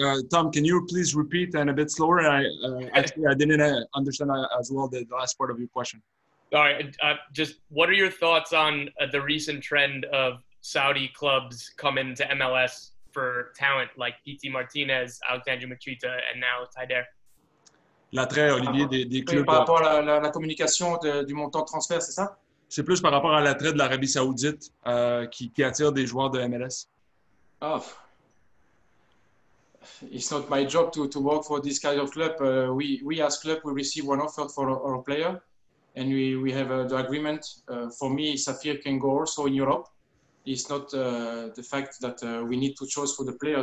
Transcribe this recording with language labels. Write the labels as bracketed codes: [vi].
[en] Tom, can you please repeat and a bit slower? I didn't understand as well the last part of your question. All right. Just what are your thoughts on the recent trend of Saudi clubs coming to MLS for talent like PT Martinez, Alexandru Mitrita, and now Taider? [fr] L'attrait, Olivier, des clubs. Par rapport à la communication du montant de transfert, c'est ça? C'est plus par rapport à l'attrait de l'Arabie Saoudite qui attire des joueurs de MLS. Oh. [en] It's not my job to work for this kind of club. We as club, we receive one offer for our player. And we have the agreement. For me, Safir can go also in Europe. It's not the fact that we need to choose for the player.